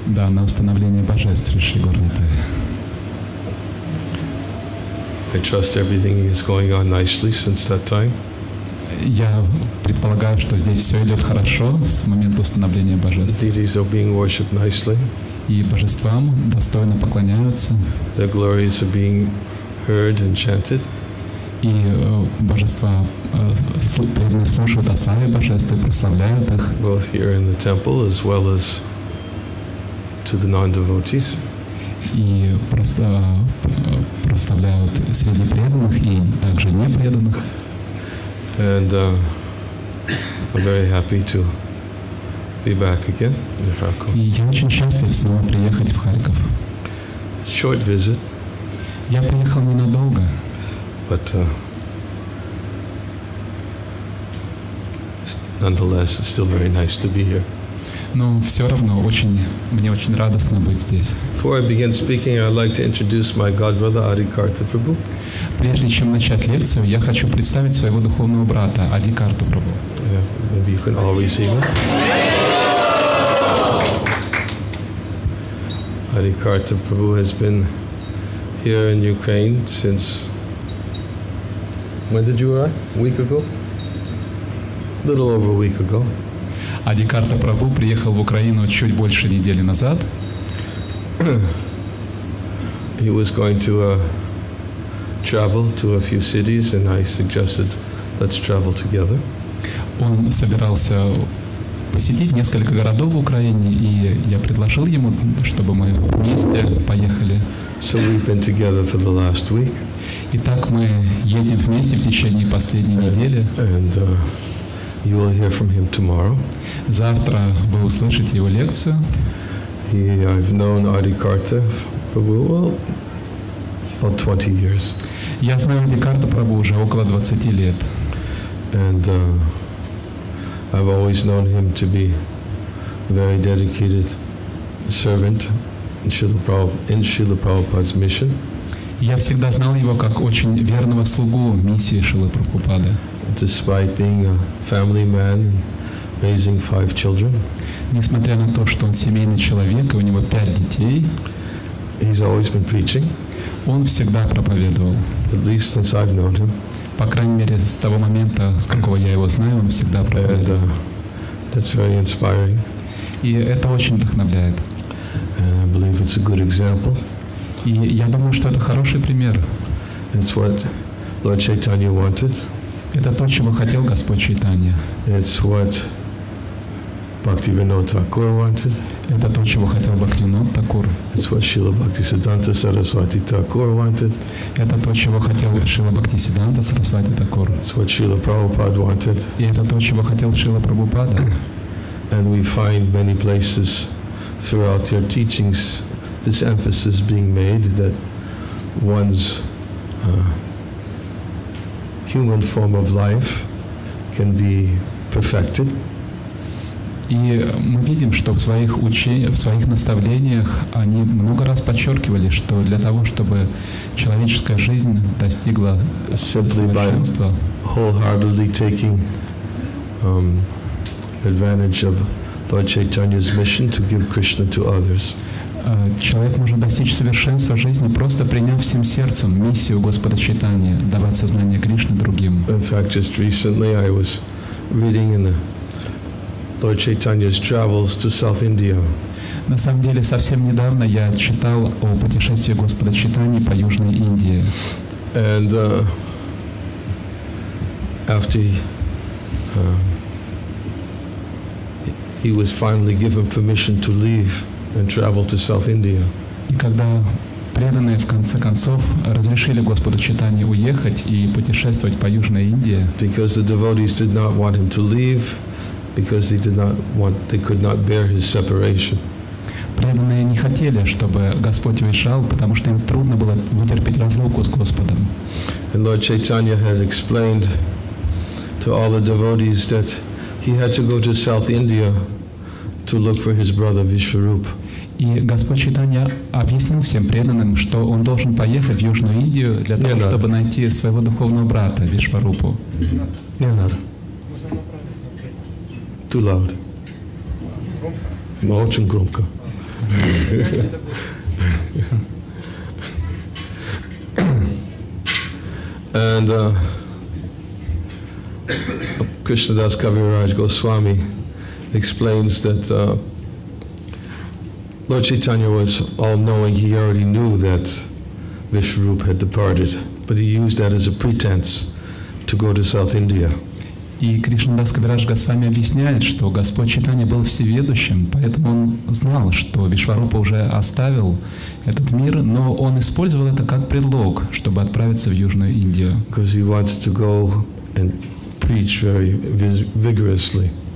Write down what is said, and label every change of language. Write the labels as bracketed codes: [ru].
[ru] Да, на установление божеств Шри Горнитай. [en] I trust everything is going on nicely since that time. [ru] Я предполагаю, что здесь все идет хорошо с момента установления божеств. [en] Deities are being worshipped nicely. [ru] И божествам достойно поклоняются. [en] Their glories are being heard and chanted. [ru] И божества слушают о славе божеств и прославляют их. [en] Both here in the temple as well as to the non-devotees. [ru] И прославляют среди преданных и также непреданных. [en] And I'm very happy to be back again in Kharkov. [ru] И я очень счастлив снова приехать в Харьков. [en] Short visit. [ru] Я приехал ненадолго. [en] But nonetheless, it's still very nice to be here. [ru] Но все равно очень мне очень радостно быть здесь. [en] Before I begin speaking, I'd like to introduce my godbrother Adhikartha Prabhu. [ru] Прежде чем начать лекцию, я хочу представить своего духовного брата Адхикарту Прабху. [en] Yeah, maybe you can all receive him. Adhikartha Prabhu has been here in Ukraine since. When did you arrive? A week ago? A little over a week ago. [ru] Адхикарта Прабху приехал в Украину чуть больше недели назад. [en] he was going to travel to a few cities, and I suggested, let's travel together. [ru] Он собирался посетить несколько городов в Украине, и я предложил ему, чтобы мы вместе поехали. [en] So we've been together for the last week. [ru] Итак, мы ездим вместе в течение последней недели. [en] And you will hear from him tomorrow. [ru] Завтра вы услышите его лекцию. [en] He, I've known Ади Карта Прабу, about 20 years. [ru] Я знаю Ади Карта Прабу уже около 20 лет. [en] And I've always known him to be a very dedicated servant in Srila Prabhupada's mission. [ru] Я всегда знал его как очень верного слугу миссии Шрилы Прабхупады. [en] Despite being a family man and raising five children, [ru] несмотря на то, что он семейный человек и у него пять детей, [en] he's always been preaching. [ru] Он всегда проповедовал. [en] At least since I've known him. [ru] По крайней мере, с того момента, с какого я его знаю, он всегда проповедовал. [en] And, that's very inspiring. [ru] И это очень вдохновляет. [en] And I believe it's a good example. [ru] И я думаю, что это хороший пример. [en] It's what Lord Chaitanya wanted. [ru] Это то, чего хотел Господь Чайтанья. [en] It's what Bhaktivinoda Thakur wanted. [ru] Это то, чего хотел Бхактивинода Такур. [en] It's what Srila Bhaktisiddhanta Saraswati Thakur wanted. [ru] Это то, чего хотел Шрила Бхактисиддханта Сарасвати Такур. [en] It's what Srila Prabhupada wanted. [ru] И это то, чего хотел Шрила Прабхупада. [en] And we find many places throughout your teachings this emphasis being made that one's human form of life can be perfected. [ru] И мы видим, что в своих наставлениях они много раз подчеркивали, что для того, чтобы человеческая жизнь достигла совершенства, [en] wholeheartedly taking advantage of Lord Chaitanya's mission to give Krishna to others. [ru] Человек может достичь совершенства жизни, просто приняв всем сердцем миссию Господа Чайтанья, давать сознание Кришны другим. [en] In fact, just recently I was reading in the Lord Chaitanya's travels to South India. [ru] На самом деле, совсем недавно я читал о путешествии Господа Чайтанья по Южной Индии. [en] And after he was finally given permission to leave and travel to South India. [ru] И когда преданные в конце концов разрешили Господу Чайтанье уехать и путешествовать по Южной Индии. [en] Because the devotees did not want him to leave, because they did not want, they could not bear his separation. [ru] Преданные не хотели, чтобы Господь уезжал, потому что им трудно было вытерпеть разлуку с Господом. [en] And Lord Chaitanya had explained to all the devotees that he had to go to South India to look for his brother Vishwarupa. [ru] И Господь Чайтанья объяснил всем преданным, что он должен поехать в Южную Индию для того, чтобы найти своего духовного брата Вишварупу. Не надо. [en] Too loud. [ru] Очень громко. [en] And Krishna Das Kaviraj Goswami explains that Lord Chaitanya was all-knowing. He already knew that Vishwarupa had departed, but he used that as a pretense to go to South India. [ru] И Кришна Дас Кавираж Госвами объясняет, что Господь Чайтанья был всеведущим, поэтому он знал, что Вишварупа уже оставил этот мир, но он использовал это как предлог, чтобы отправиться в Южную Индию. [en] Because he wanted to go and preach very vigorously.